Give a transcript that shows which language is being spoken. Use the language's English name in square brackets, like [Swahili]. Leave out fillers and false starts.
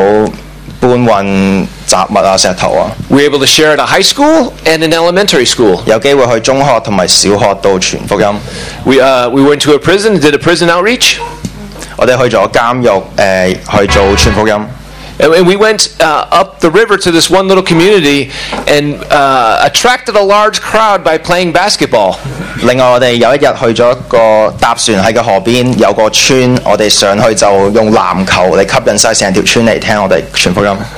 [Cantonese] 有油屋頂啊，有搬運雜物啊，石頭啊。 [English] We're able to share at a high school and an elementary school. [Cantonese] 有機會去中學同埋小學度傳福音。 [English] We went to a prison and did a prison outreach. [Cantonese] 我哋去咗監獄去做傳福音。 [English] And we went up the river to this one little community and attracted a large crowd by playing basketball. [Cantonese] 另外我哋有一日去咗一個搭船喺個河邊，有個村，我哋上去就用籃球嚟吸引曬成條村嚟聽我哋傳福音。